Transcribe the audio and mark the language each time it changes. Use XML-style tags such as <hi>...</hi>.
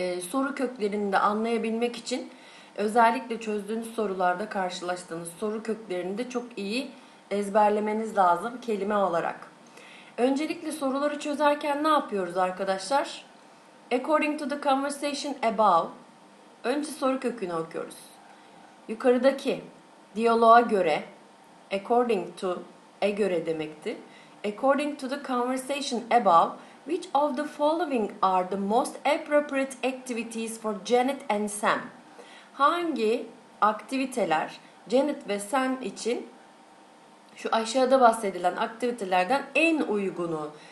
<tr>Soru köklerini de anlayabilmek için özellikle çözdüğünüz sorularda karşılaştığınız soru köklerini de çok iyi ezberlemeniz lazım kelime olarak. Öncelikle soruları çözerken ne yapıyoruz arkadaşlar?</tr> <en>According to the conversation above,</en> <tr>önce soru kökünü okuyoruz. Yukarıdaki diyaloğa göre,</tr> <en>according to,</en> <tr>e göre demekti.</tr> <en>According to the conversation above, which of the following are the most appropriate activities for Janet and Sam?</en> <tr>Hangi aktiviteler Janet ve Sam için şu aşağıda bahsedilen aktivitelerden en uygunu?</tr>